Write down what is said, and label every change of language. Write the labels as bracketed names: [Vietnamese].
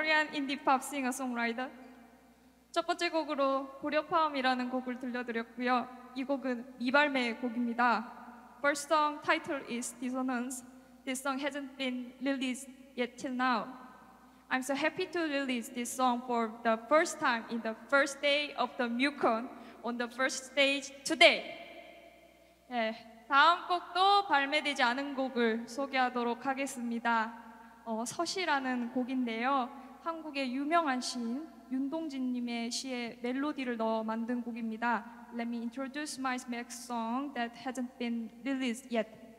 [Korean] 인디팝 싱어송라이더. 첫 번째 곡으로 고려파음이라는 곡을 들려드렸고요. 이 곡은 미발매의 곡입니다. [English] First song title is Dissonance. This song hasn't been released yet till now. I'm so happy to release this song for the first time in the first day of the MUCON on the first stage today. [Korean] 네, 다음 곡도 발매되지 않은 곡을 소개하도록 하겠습니다. 서시라는 곡인데요. 한국의 유명한 시인 윤동진님의 시에 멜로디를 넣어 만든 곡입니다. [English] Let me introduce my next song that hasn't been released yet.